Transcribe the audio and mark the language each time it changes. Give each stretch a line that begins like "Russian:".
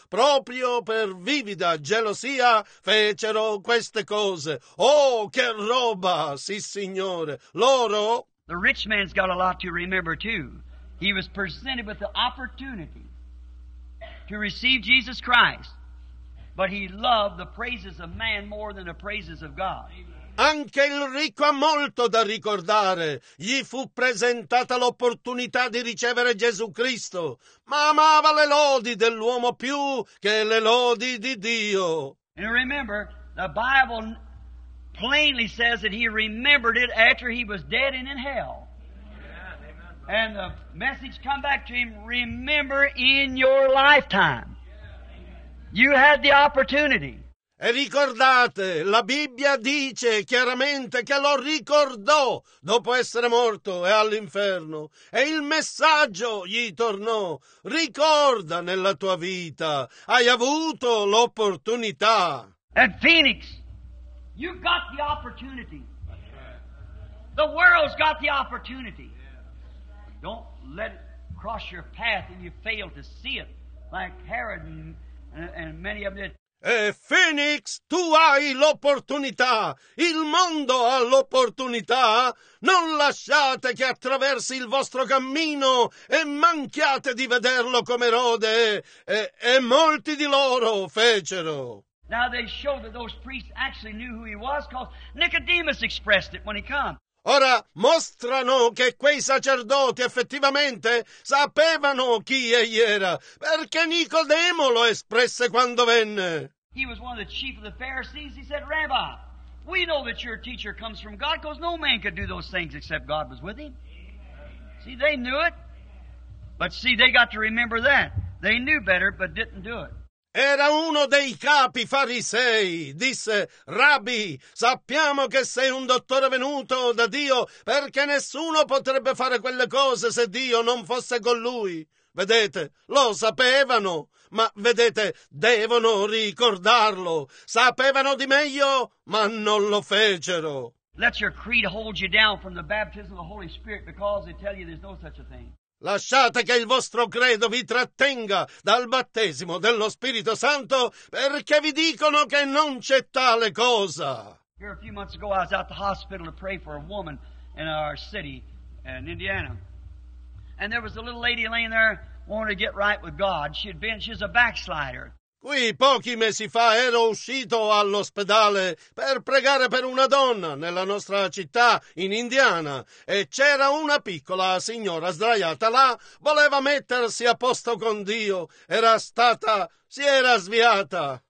Italian: Proprio per vivida gelosia fecero queste cose. Oh, che roba, sì signore, loro...
English: The rich man's got a lot to remember too. He was presented with the opportunity to receive Jesus Christ. But he loved the praises of man more than the praises of God.
Italian: Anche il ricco ha molto da ricordare. Gli fu presentata l'opportunità di ricevere Gesù Cristo, ma amava le lodi dell'uomo più che le lodi di Dio.
English: And remember, the Bible plainly says that he remembered it after he was dead and in hell. And the message come back to him, remember in your lifetime. You had the opportunity.
Italian: E ricordate, la Bibbia dice chiaramente che lo ricordò dopo essere morto e all'inferno. E il messaggio gli tornò. Ricorda nella tua vita. Hai avuto l'opportunità.
English: And Phoenix, you got the opportunity. The world's got the opportunity. Don't let it cross your path and you fail to see it like Herod and many of them.
Italian: Phoenix, tu hai l'opportunità. Il mondo ha l'opportunità. Non lasciate che attraversi il vostro cammino e manchiate di vederlo come Erode. E molti di loro fecero.
English: Now they show that those priests actually knew who he was because Nicodemus expressed it when he came.
Italian: Ora mostrano che quei sacerdoti effettivamente sapevano chi egli era, perché Nicodemo lo espresse quando venne.
English: He was one of the chief of the Pharisees. He said, Rabbi, we know that your teacher comes from God because no man could do those things except God was with him. See, they knew it. But see, they got to remember that. They knew better but didn't do it.
Italian: Era uno dei capi farisei, disse, Rabbi, sappiamo che sei un dottore venuto da Dio, perché nessuno potrebbe fare quelle cose se Dio non fosse con lui. Vedete, lo sapevano, ma vedete, devono ricordarlo. Sapevano di meglio, ma non lo fecero.
English: Let your creed hold you down from the baptism of the Holy Spirit because they tell you there's no such a thing.
Italian: Lasciate che il vostro credo vi trattenga dal battesimo dello Spirito Santo perché vi dicono che non c'è tale cosa.
English: Here a few months ago I was at the hospital to pray for a woman in our city in Indiana. And there was a little lady laying there wanting to get right with God. She's a backslider.
Italian: Qui pochi mesi fa ero uscito all'ospedale per pregare per una donna nella nostra città in Indiana e c'era una piccola signora sdraiata là, voleva mettersi a posto con Dio, si era sviata.